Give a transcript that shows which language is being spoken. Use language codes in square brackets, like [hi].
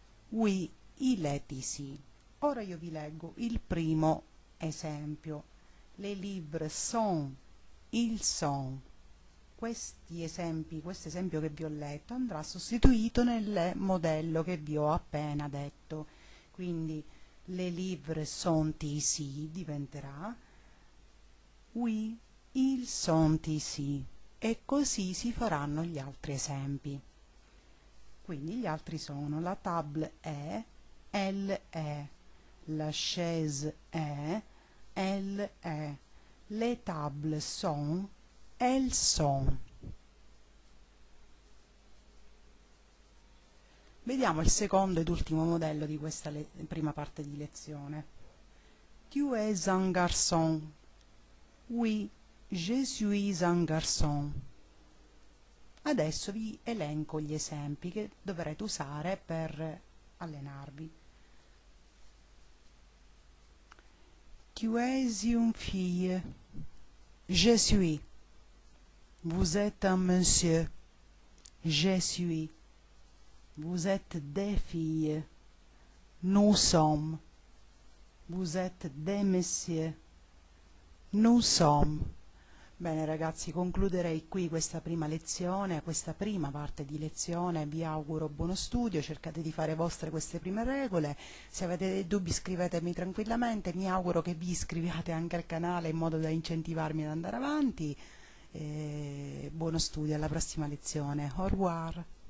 [fr] Oui, il est ici. [it] Ora io vi leggo il primo esempio. [fr] Le livre sont, ils sont. [it] Questi esempi, questo esempio che vi ho letto, andrà sostituito nel modello che vi ho appena detto. Quindi, [fr] le livre sont ici [it] diventerà [fr] oui, ils sont ici. [it] E così si faranno gli altri esempi. Quindi gli altri sono [fr] la table est, elle est, la chaise est, elle est, les tables sont, elles sont. [it] Vediamo il secondo ed ultimo modello di questa prima parte di lezione. [fr] Tu es un garçon. Oui, je suis un garçon. [it] Adesso vi elenco gli esempi che dovrete usare per allenarvi. [fr] Tu es une fille. Je suis. Vous êtes un monsieur. Je suis. Vous êtes des filles. Nous sommes. Vous êtes des messieurs. Nous sommes. [it] Bene ragazzi, concluderei qui questa prima lezione, questa prima parte di lezione. Vi auguro buono studio, cercate di fare vostre queste prime regole. Se avete dei dubbi scrivetemi tranquillamente, mi auguro che vi iscriviate anche al canale in modo da incentivarmi ad andare avanti. E buono studio, alla prossima lezione. [fr] Au revoir.